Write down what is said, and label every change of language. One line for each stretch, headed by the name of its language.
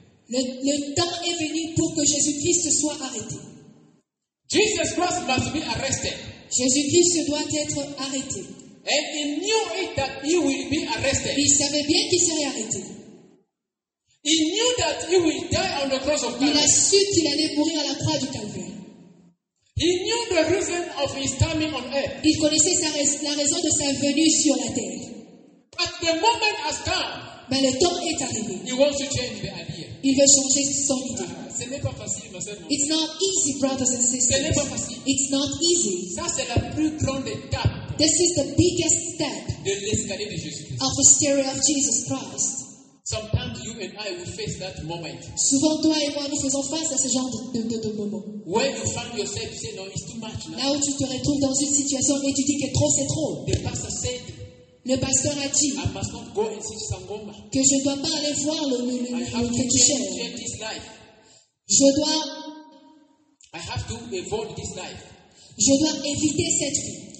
French: Le temps est venu pour que Jésus-Christ soit arrêté.
English: Jesus Christ must be arrested.
French: Jésus-Christ doit être arrêté.
English: And he knew it that he will be arrested.
French: Il savait bien qu'il serait arrêté.
English: He knew that he will die on the cross of Calvary.
French: Il a su qu'il allait mourir à la croix du calvaire.
English: He knew the reason of his coming on earth.
French: Il connaissait la raison de sa venue sur la terre.
English: But the moment has come.
French: Mais le temps est arrivé.
English: He wants to change the idea.
French: Il veut changer son idée. Ce n'est pas facile, ma sœur.
English: It's not easy, brothers and sisters.
French: Ce n'est pas facile.
English: It's not easy.
French: Ça, c'est la plus grande étape.
English: This is the biggest step
French: de l'escalier de Jésus-Christ.
English: Of the story of Jesus Christ. Sometimes you and I will face that moment.
French: Souvent toi et moi nous faisons face à ce genre de moment.
English: When you find yourself, you say, no, it's too much.
French: Là où tu te retrouves dans une situation et tu dis que trop c'est trop.
English: The pastor said,
French: le pasteur a dit,
English: I must not go and see Sangoma.
French: Que je ne dois pas aller voir le pécheur. Life.
English: I have to avoid this life.
French: Je dois éviter cette vie.